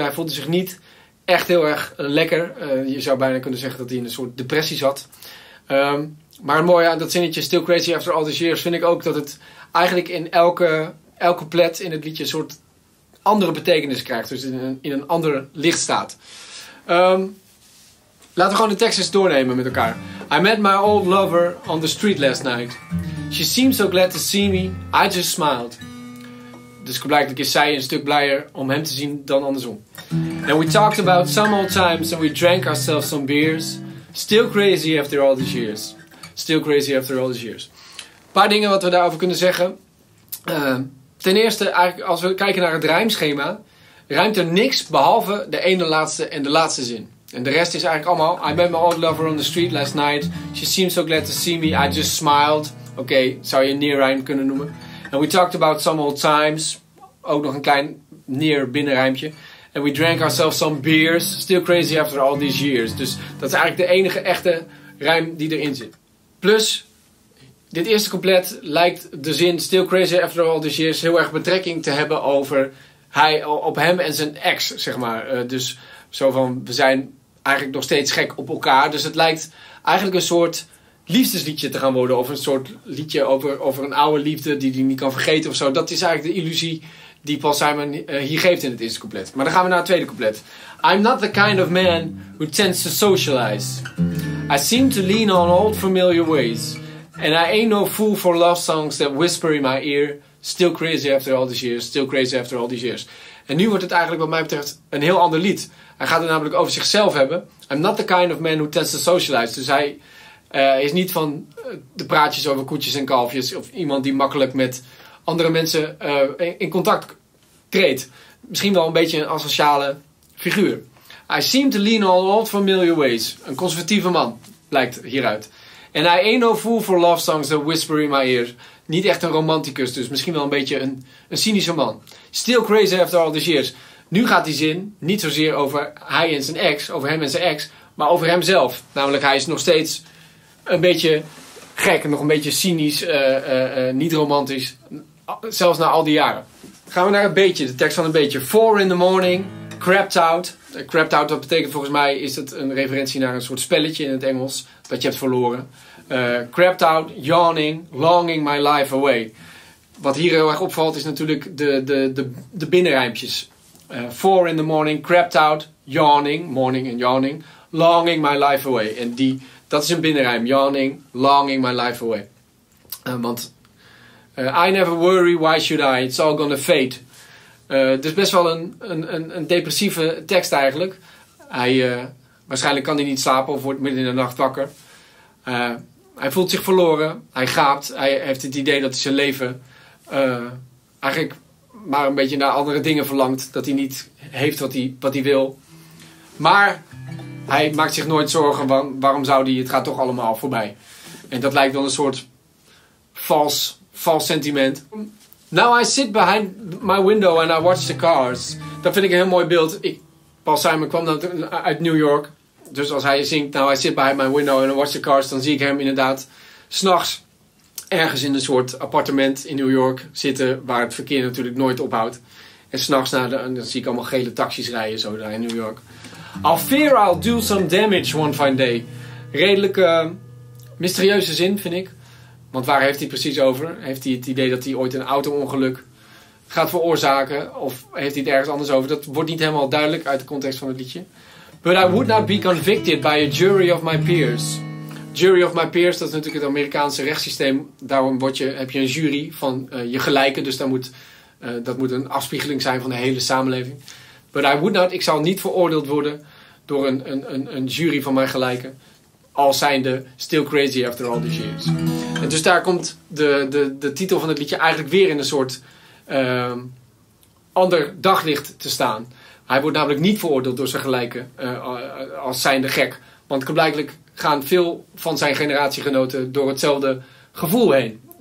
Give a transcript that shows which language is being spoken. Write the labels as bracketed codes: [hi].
[nl] Hij voelde zich niet echt heel erg lekker. Je zou bijna kunnen zeggen dat hij in een soort depressie zat. Maar het mooie aan dat zinnetje Still Crazy After All These Years vind ik ook dat het eigenlijk in elke plet in het liedje een soort andere betekenis krijgt. Dus in een ander licht staat. Laten we gewoon de tekst eens doornemen met elkaar. [en] I met my old lover on the street last night. She seemed so glad to see me. I just smiled. [nl] Dus blijkbaar is zij een stuk blijer om hem te zien dan andersom. [en] And we talked about some old times and we drank ourselves some beers. Still crazy after all these years. Still crazy after all these years. [nl] Een paar dingen wat we daarover kunnen zeggen. Ten eerste, als we kijken naar het rijmschema, rijmt er niks behalve de ene laatste en de laatste zin. En de rest is eigenlijk allemaal [en] I met my old lover on the street last night. She seemed so glad to see me. I just smiled. [nl] Oké, zou je een near rhyme kunnen noemen. [en] And we talked about some old times. [nl] Ook nog een klein near binnenrijmpje. [en] And we drank ourselves some beers. Still crazy after all these years. [nl] Dus dat is eigenlijk de enige echte rijm die erin zit. Plus, dit eerste couplet lijkt de zin [en] Still crazy after all these years [nl] heel erg betrekking te hebben over hij op hem en zijn ex, zeg maar. Dus zo van, we zijn eigenlijk nog steeds gek op elkaar. Dus het lijkt eigenlijk een soort liefdesliedje te gaan worden. Of een soort liedje over een oude liefde die hij niet kan vergeten of zo. Dat is eigenlijk de illusie die Paul Simon hier geeft in het eerste couplet. Maar dan gaan we naar het tweede couplet. [en] I'm not the kind of man who tends to socialize. I seem to lean on old familiar ways. And I ain't no fool for love songs that whisper in my ear. Still crazy after all these years. Still crazy after all these years. [nl] En nu wordt het eigenlijk wat mij betreft een heel ander lied. Hij gaat het namelijk over zichzelf hebben. [en] I'm not the kind of man who tends to socialize. [nl] Dus hij is niet van de praatjes over koetjes en kalfjes. Of iemand die makkelijk met andere mensen in contact treedt. Misschien wel een beetje een asociale figuur. [en] I seem to lean on old familiar ways. [nl] Een conservatieve man, blijkt hieruit. [en] And I ain't no fool for love songs that whisper in my ears. [nl] Niet echt een romanticus, dus misschien wel een beetje een cynische man. [en] Still crazy after all these years. [nl] Nu gaat die zin niet zozeer over hij en zijn ex, over hem en zijn ex, maar over hemzelf. Namelijk, hij is nog steeds een beetje gek, nog een beetje cynisch, niet romantisch. Zelfs na al die jaren. Gaan we naar een beetje, de tekst van een beetje. [en] Four in the morning, crapped out. [nl] Crapped out, dat betekent volgens mij, is het een referentie naar een soort spelletje in het Engels dat je hebt verloren. [en] Crapped out, yawning, longing my life away. [nl] Wat hier heel erg opvalt is natuurlijk de binnenrijmpjes. [en] Four in the morning, crapped out, yawning, morning and yawning, longing my life away. [nl] En die, dat is een binnenrijm, [en] yawning, longing my life away. I never worry, why should I, it's all gonna fade. [nl] Dus best wel een depressieve tekst eigenlijk. Waarschijnlijk kan hij niet slapen of wordt midden in de nacht wakker. Hij voelt zich verloren, hij gaapt, hij heeft het idee dat hij zijn leven eigenlijk maar een beetje naar andere dingen verlangt. Dat hij niet heeft wat hij wil. Maar hij maakt zich nooit zorgen, waarom zou hij, het gaat toch allemaal voorbij. En dat lijkt dan een soort vals sentiment. [en] Now I sit behind my window and I watch the cars. [nl] Dat vind ik een heel mooi beeld. Paul Simon kwam uit New York. Dus als hij zingt, [en] now I sit behind my window and I watch the cars, [nl] dan zie ik hem inderdaad 's nachts ergens in een soort appartement in New York zitten, waar het verkeer natuurlijk nooit ophoudt. En 's nachts dan zie ik allemaal gele taxis rijden zo daar in New York. [en] I'll fear I'll do some damage one fine day. [nl] Redelijk mysterieuze zin, vind ik. Want waar heeft hij precies over? Heeft hij het idee dat hij ooit een auto-ongeluk gaat veroorzaken? Of heeft hij het ergens anders over? Dat wordt niet helemaal duidelijk uit de context van het liedje. [en] But I would not be convicted by a jury of my peers. [nl] Jury of my peers, dat is natuurlijk het Amerikaanse rechtssysteem. Daarom heb je een jury van je gelijken. Dus dat moet een afspiegeling zijn van de hele samenleving. [en] But I would not, [nl] ik zou niet veroordeeld worden door een jury van mijn gelijken. Al zijnde [en] still crazy after all these years. [nl] En dus daar komt de titel van het liedje eigenlijk weer in een soort ander daglicht te staan. Hij wordt namelijk niet veroordeeld door zijn gelijken als zijnde gek. Want blijkbaar gaan veel van zijn generatiegenoten door hetzelfde gevoel heen.